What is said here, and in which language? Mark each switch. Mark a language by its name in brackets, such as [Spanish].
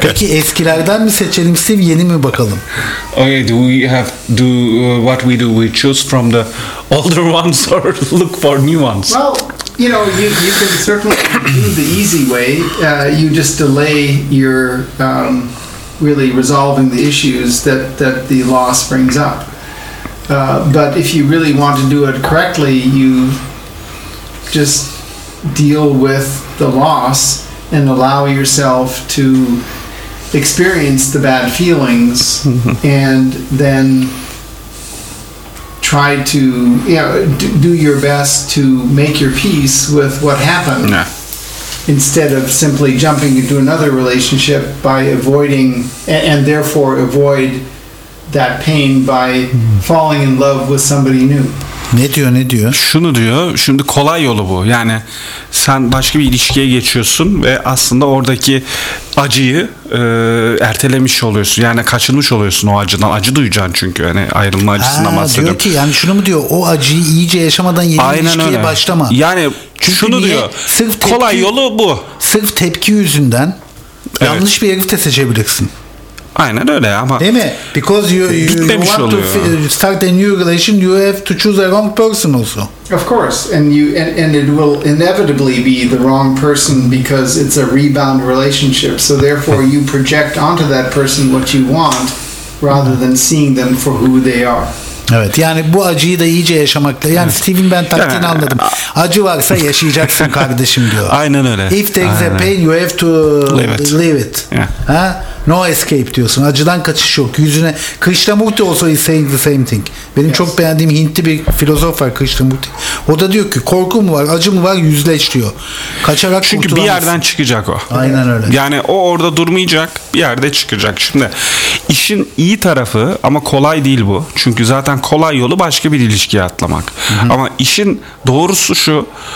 [Turkish] Peki eskilerden mi seçelim, Steve, yeni mi bakalım? [English] Okay, do we have do what we do? We choose from the older ones or look for new ones? Well, you know, you can certainly do the easy way. You just delay your really resolving the issues that the loss brings up. But if you really want to do it correctly, you just deal with the loss and allow yourself to experience the bad feelings and then try to do your best to make your peace with what happened instead of simply jumping into another relationship by avoiding and therefore avoid that pain by falling in love with somebody new. [Turkish] Ne diyor? Şunu diyor, şimdi kolay yolu bu. Yani sen başka bir ilişkiye geçiyorsun ve aslında oradaki acıyı ertelemiş oluyorsun. Yani kaçınmış oluyorsun o acıdan. Acı duyacaksın çünkü. Yani ayrılma acısından bahsediyorum. Diyor ki yani şunu mu diyor, o acıyı iyice yaşamadan yeni ilişkiye başlama. Yani çünkü şunu niye? Diyor, sırf tepki, kolay yolu bu. Sırf tepki yüzünden yanlış bir herif de seçebilirsin. Aynen öyle ama. Değil mi? [English] Because you want [Turkish] oluyor. [English] To start a new relation, you have to choose the wrong person also. Of course, and it will inevitably be the wrong person because it's a rebound relationship. So therefore, you project onto that person what you want, rather than seeing them for who they are. [Turkish] Evet, yani bu acıyı da iyice yaşamakla. Yani Steve'in ben taktiğini anladım. Acı varsa yaşayacaksın kardeşim diyor. Aynen öyle. [English] If there's a pain, you have to leave it. Yeah. [Turkish] Ha? [English] No escape [Turkish] diyorsun. Acıdan kaçış yok. Yüzüne [English] Krishnamurti also is saying the same thing. [Turkish] Benim çok beğendiğim Hintli bir filozof var, Krishnamurti. O da diyor ki korku mu var, acı mı var, yüzleş diyor. Kaçarak çünkü bir yerden çıkacak o. Aynen öyle. Yani o orada durmayacak, bir yerde çıkacak. Şimdi işin iyi tarafı ama kolay değil bu. Çünkü zaten kolay yolu başka bir ilişkiye atlamak. Hı-hı. Ama işin doğrusu şu.